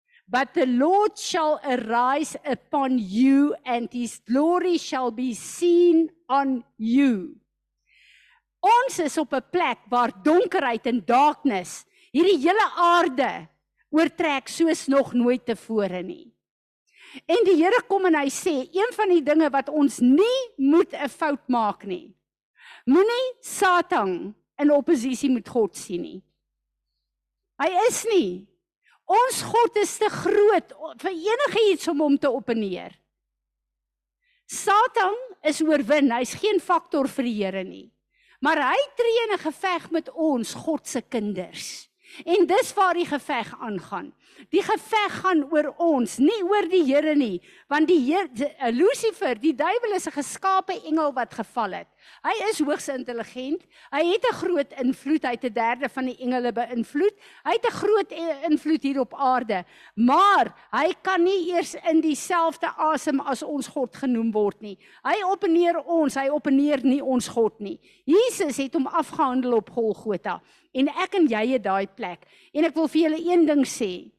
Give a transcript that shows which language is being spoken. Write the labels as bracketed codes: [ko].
[en] But the Lord shall arise upon you and his glory shall be seen on you." [af] Ons is op 'n plek waar donkerheid en darkness hierdie hele aarde oortrek soos nog nooit tevore nie. En die Here kom en hy sê, een van die dinge wat ons nie moet 'n fout maak nie. Moenie Satan in oppositie met God sien nie. Hy is nie. Ons God is te groot vir enige iets om hom te opponeer. Satan is oorwin, hy's geen faktor vir die Here nie. Maar hy tree in 'n geveg met ons, God se kinders. En dis waar die geveg aangaan. Die geveg gaan oor ons, nie oor die Here nie, want die Here, Lucifer, die duiwel is 'n geskaapte engel wat geval het. Hy is hoogs intelligent. Hy het 'n groot invloed. Hy het 'n derde van die engele beïnvloed. Hy het 'n groot invloed hier op aarde. Maar hy kan nie eers in dieselfde asem as ons God genoem word nie. Hy opponeer ons. Hy opponeer nie ons God nie. Jesus het hom afgehandel op Golgotha. En ek en jy het daai plek. En ek wil vir julle een ding sê.